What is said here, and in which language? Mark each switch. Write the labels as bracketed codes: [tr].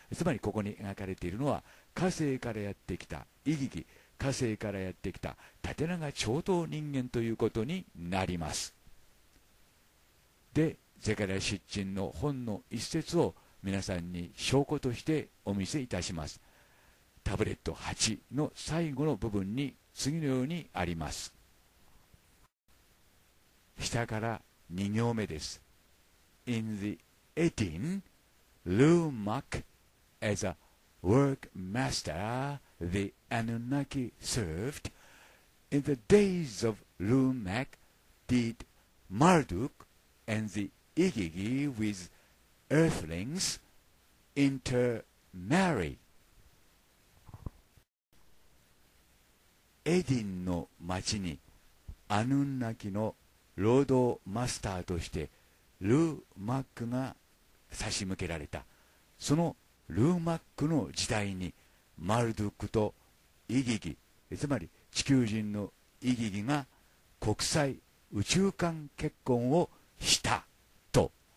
[ja] つまりここに描かれているのは火星からやってきたイギギ、火星からやってきた縦長長頭人間ということになります。で、ゼカリア書信の本の一節を皆さんに証拠としてお見せいたします。タブレット8の最後の部分に次のようにあります。下から2行目です。 [en] In the 18, Lou Mack as a workmaster the Anunnaki served. In the days of Lou Mack did Marduk and the Igigi with earthlings intermarry. [ja] エディンの町にアヌンナキの労働マスターとしてルー・マックが差し向けられた。そのルー・マックの時代にマルドックとイギギ、つまり地球人のイギギが国際宇宙間結婚をしたと。